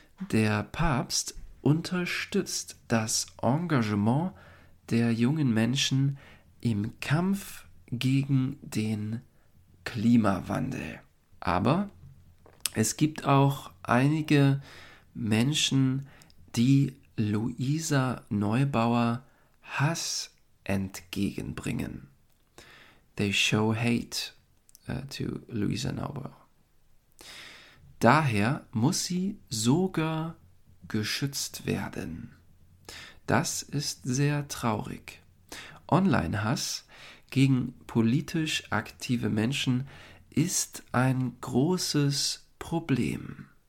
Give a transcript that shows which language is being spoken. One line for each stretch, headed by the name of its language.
German: Der Papst unterstützt das Engagement der jungen Menschen im Kampf gegen den Klimawandel. Aber es gibt auch einige Menschen, die Luisa Neubauer Hass entgegenbringen.
English: They show hate to Luisa Neubauer.
German: Daher muss sie sogar geschützt werden. Das ist sehr traurig. Online-Hass gegen politisch aktive Menschen ist ein großes Problem.